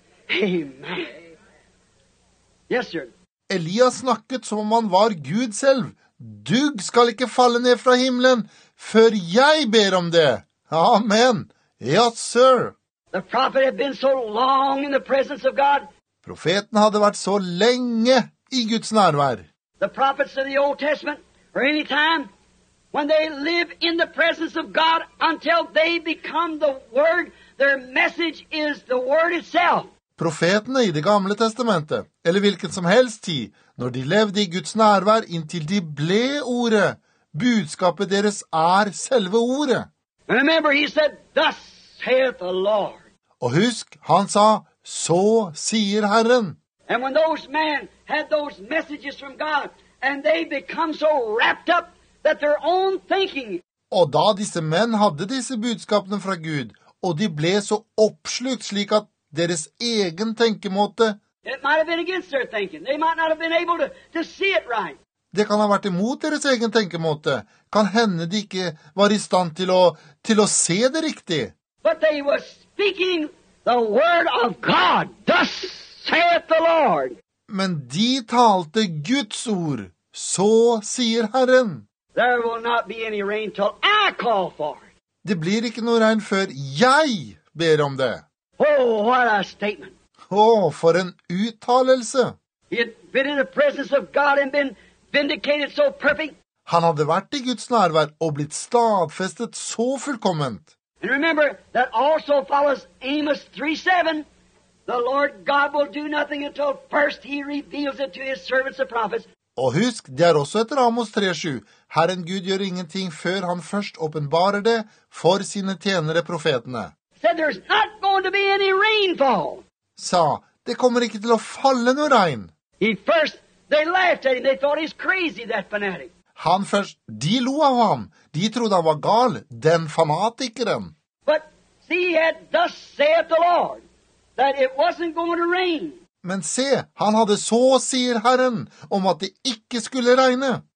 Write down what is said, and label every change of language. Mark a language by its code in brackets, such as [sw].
[en] Amen. Yes, sir. [no] Elias snakket som om han var Gud selv. Dugg skal ikke falle ned fra himmelen før jeg ber om det. Amen. [en] Yes, sir. The prophet had been so long in the presence of God. [no] Profeten hadde vært så lenge i Guds nærvær. [en] The prophets of the Old Testament, or any time, when they live in the presence of God until they become the word, their message is the word itself. [no] Profetene i det gamle testamentet, eller hvilken som helst tid, når de levde i Guds nærvær inntil de ble ordet, budskapet deres selve ordet. [en] And remember, he said, thus saith the Lord. [no] Og husk, han sa, så sier Herren. [en] And when those men had those messages from God, and they become so wrapped up that their own thinking. [no] Og da disse menn hadde disse budskapene fra Gud, og de ble så oppslukt slik at deres egen tenkemåte. [en] It might have been against their thinking. They might not have been able to see it right. [no] Det kan ha vært imot deres egen tenkemåte. Kan hende de ikke var i stand til å se det riktig. [en] But they were speaking the word of God. Thus saith the Lord. [no] Men de talte Guds ord. Så sier Herren. [en] There will not be any rain till I call for it. [no] Det blir ikke noe regn før jeg ber om det. [en] Oh, what a statement. [no] Oh, for en uttalelse. [en] He had been in the presence of God and been vindicated so perfect. [no] Han hadde vært i Guds nærvær og blitt stadfestet så fullkomment. [en] And remember, that also follows Amos 3:7. The Lord God will do nothing until first he reveals it to his servants the prophets. [no] Og husk, det også etter Amos 3:7. Herren Gud gjør ingenting før han først åpenbarer det for sine tjenere profetene. [en] Said there's not going to be any rainfall. [no] Sa, det kommer ikke til å falle noe regn. [en] He first, they laughed at him. They thought he's crazy, that fanatic. [no] Han først, de lo av ham. De trodde han var gal, den fanatikeren. [en] But see, he had thus saith the Lord, that it wasn't going to rain. [no] Men se, han hadde så, sier Herren, om at det ikke skulle regne.